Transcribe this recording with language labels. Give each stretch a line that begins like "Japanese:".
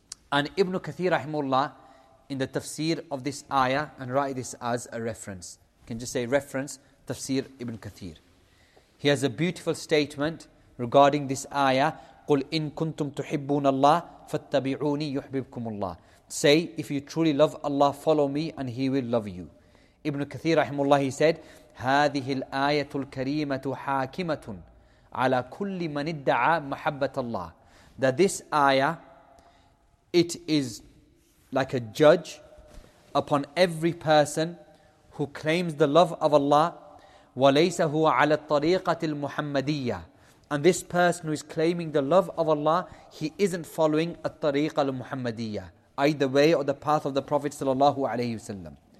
English: And Ibn Kathir rahimullah, in the tafsir of this ayah, and write this as a reference. You can just say reference, tafsir Ibn Kathir. He has a beautiful statement regarding this ayah.
Arabic: قُلْ إِن كُنْتُمْ تُحِبُّونَ اللَّهِ فَاتَّبِعُونِي يُحْبِبْكُمُ اللَّهِ.
English: Say, if you truly love Allah, follow me and He will love you. Ibn Kathir rahimullah, he said,
Arabic: هَذِهِ الْآيَةُ الْكَرِيمَةُ حَاكِمَةٌ عَلَى كُلِّ مَنِ ادَّعَى مَحَبَّةَ اللَّهِ.
English: That this ayah, it is like a judge upon every person who claims the love of Allah,
Arabic: وَلَيْسَ هُوَ عَلَى الطَّرِيقَةِ الْمُحَمَّدِيَّةِ.
English: And this person who is claiming the love of Allah, he isn't following
Arabic: الطَّرِيقَ الْمُحَمَّدِيَّةِ,
English: either the way or the path of the Prophet sallallahu alayhi wasallam.